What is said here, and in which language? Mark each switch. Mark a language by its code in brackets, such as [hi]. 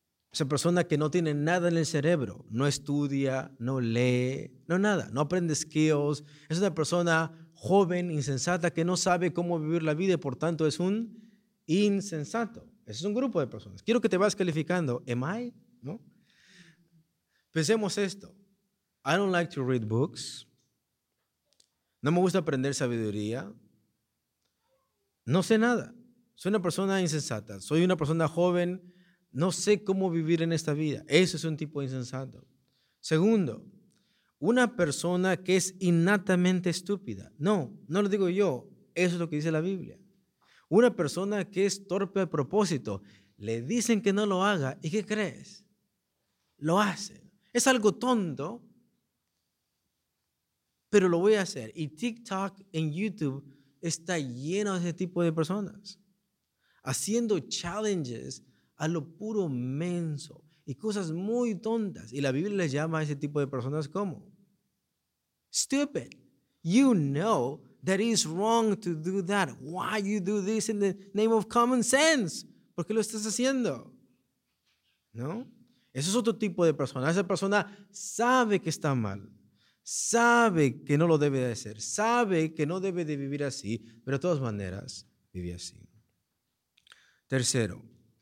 [es] Esa persona que no tiene nada en el cerebro, no estudia, no lee, no nada, no aprende skills. Es una persona joven, insensata, que no sabe cómo vivir la vida y por tanto es un insensato. Ese es un grupo de personas. Quiero que te vayas calificando. [en] ¿Am I? [es] ¿No? Pensemos esto. [en] I don't like to read books. [es] No me gusta aprender sabiduría. No sé nada. Soy una persona insensata. Soy una persona joven. No sé cómo vivir en esta vida. Eso es un tipo de insensato. Segundo, una persona que es innatamente estúpida. No, no lo digo yo. Eso es lo que dice la Biblia. Una persona que es torpe a propósito. Le dicen que no lo haga. ¿Y qué crees? Lo hace. Es algo tonto, pero lo voy a hacer. Y TikTok en YouTube está lleno de ese tipo de personas. Haciendo challenges a lo puro menso y cosas muy tontas. Y la Biblia les llama a ese tipo de personas como stupid. [en] You know that it's wrong to do that. Why you do this in the name of common sense? [es] ¿Por qué lo estás haciendo? ¿No? Ese es otro tipo de persona. Esa persona sabe que está mal. Sabe que no lo debe de hacer. Sabe que no debe de vivir así. Pero de todas maneras, vive así. Tercero.